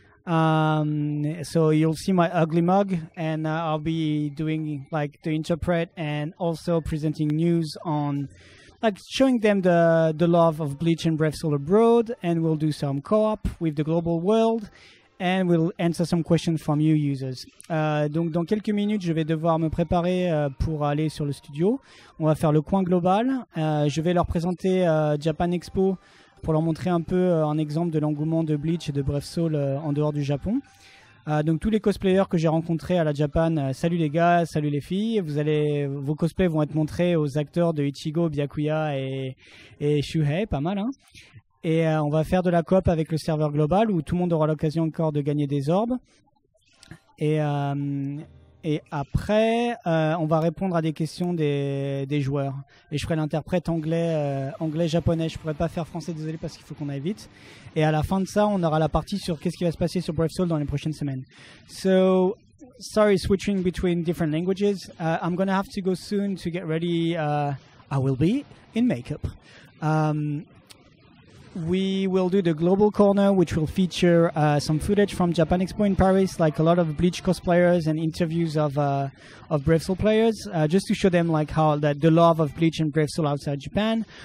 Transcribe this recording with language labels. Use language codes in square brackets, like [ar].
[en] So you'll see my ugly mug, and I'll be doing like the interpret and also presenting news on, like, showing them the love of Bleach and Brave Soul abroad, and we'll do some co-op with the global world, and we'll answer some questions from you users. [fr] Donc dans quelques minutes, je vais devoir me préparer pour aller sur le studio. On va faire le coin global. Je vais leur présenter Japan Expo pour leur montrer un peu un exemple de l'engouement de Bleach et de Brave Soul en dehors du Japon. Donc tous les cosplayers que j'ai rencontrés à la Japan, salut les gars, salut les filles. Vos cosplays vont être montrés aux acteurs de Ichigo, Byakuya et Shuhei, pas mal, hein. Et on va faire de la coop avec le serveur global où tout le monde aura l'occasion encore de gagner des orbes. Et après, on va répondre à des questions des joueurs. Et je ferai l'interprète anglais-japonais. Je pourrais pas faire français, désolé, parce qu'il faut qu'on aille vite. Et à la fin de ça, on aura la partie sur qu'est-ce qui va se passer sur Brave Soul dans les prochaines semaines. [en] So, sorry, switching between different languages. I'm gonna have to go soon to get ready. I will be in makeup. We will do the global corner, which will feature some footage from Japan Expo in Paris, like a lot of Bleach cosplayers and interviews of Brave Soul players, just to show them like how the love of Bleach and Brave Soul outside Japan.